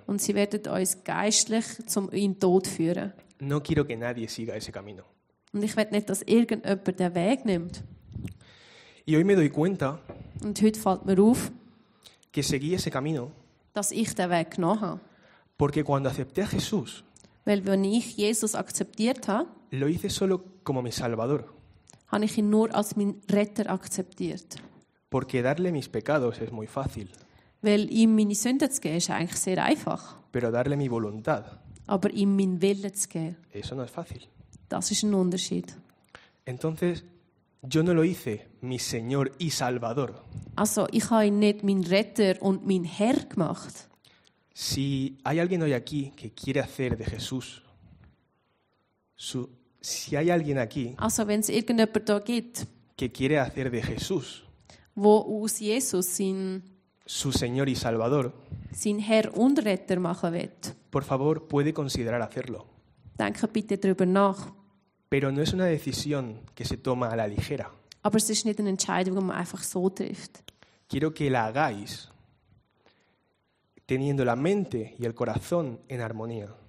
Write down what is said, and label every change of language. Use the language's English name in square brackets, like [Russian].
[German] Und sie werden uns geistlich zum in den Tod führen. [Spanish] No quiero que nadie siga ese camino. [German] Und ich will nicht, dass irgendjemand den Weg nimmt. [Spanish] Y hoy me doy cuenta, [German] und heute fällt mir auf, [Spanish] que seguí ese camino, [German] dass ich den Weg genommen habe. [Spanish] Porque cuando acepté a Jesús, [German] weil wenn ich Jesus akzeptiert habe, [Spanish] lo hice solo como mi Salvador. [German] Habe ich ihn nur als meinen Retter akzeptiert. [Spanish] Porque darle mis pecados es muy fácil. [German] Weil ihm meine Sünden zu geben ist eigentlich sehr einfach. [Spanish] Pero darle mi voluntad, [German] aber ihm meinen Willen zu geben, [Spanish] eso no es fácil. [German] Das ist ein Unterschied. [Spanish] Entonces, yo no lo hice mi Señor y Salvador. [German] Also, ich habe ihn nicht meinen Retter und meinen Herr gemacht. [Spanish] Si hay alguien hoy aquí que quiere hacer de Jesús su, si hay alguien aquí, [German] also, wenn es irgendjemand da gibt, [Spanish] que quiere hacer de Jesús, [German] wo aus Jesus sin, [Spanish] su Señor y Salvador, [German] sin Herr und Retter machen will, [Spanish] por favor, puede considerar hacerlo. [German] Denke bitte drüber nach. [Spanish] Pero no es una decisión que se toma a la ligera. [German] Aber es ist nicht eine Entscheidung, die man einfach so trifft. [Spanish] Quiero que la hagáis teniendo la mente y el corazón en armonía.